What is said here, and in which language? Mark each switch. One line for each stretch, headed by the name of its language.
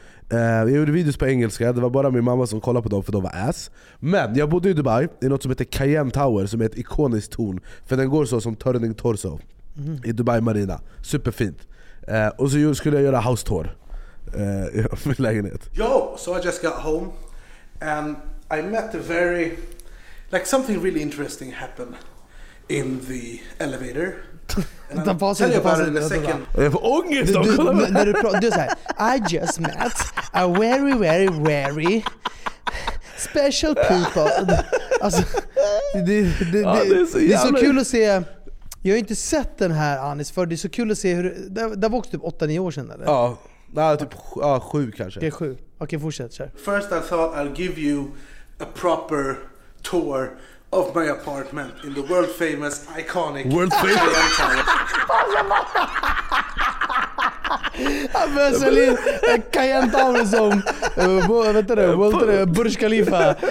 Swedish: Jag gjorde videos på engelska. Det var bara min mamma som kollade på dem, för de var ass. Men jag bodde i Dubai i något som heter Cayenne Tower, som är ett ikoniskt torn. För den går så som Turning Torso i Dubai Marina. Superfint. Och så skulle jag göra house tour i min lägenhet.
English: Yo, so I just got home and I met a very, like, something really interesting happened in the elevator. And I'll tell you about it in a second.
Swedish: Jag får ångest då, kolla på det här.
English: I just met a very, very, very special people.
Swedish: Alltså, det är så kul att se. Jag har inte sett den här, Anis, för det är så kul att se hur... Det var också typ 8-9 år sedan, eller? Ja, nej, typ 7 kanske. Det är 7. Okej, fortsätt. Kör.
English: First I thought I'll give you a proper tour of my apartment in the world famous iconic world famous.
Swedish: Han börjar in Cayenne Tower som Burj Khalifa.